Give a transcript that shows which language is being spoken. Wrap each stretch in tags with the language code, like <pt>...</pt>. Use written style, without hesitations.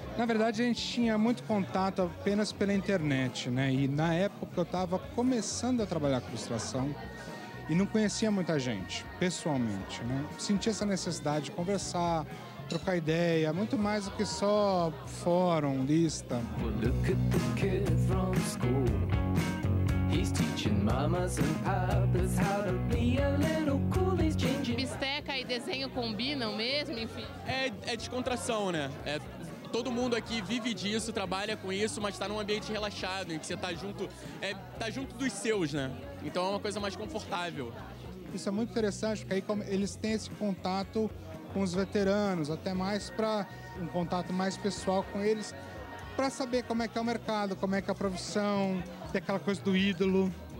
<pt>Na verdade, a gente tinha muito contato apenas pela internet, né? E na época eu estava começando a trabalhar com ilustração e não conhecia muita gente pessoalmente, né? Sentia essa necessidade de conversar, trocar ideia, muito mais do que só fórum, lista.</pt> <en>Look at the kid from school. He's teaching mamas and papas how to be a little cool. He's changing.</en> <pt>Bisteca e desenho combinam mesmo, enfim. É descontração, né? É, todo mundo aqui vive disso, trabalha com isso, mas tá num ambiente relaxado, em que você tá junto dos seus, né? Então é uma coisa mais confortável. Isso é muito interessante, porque aí como eles têm esse contato com os veteranos, até mais para um contato mais pessoal com eles, para saber como é que é o mercado, como é que é a profissão, tem aquela coisa do ídolo.</pt>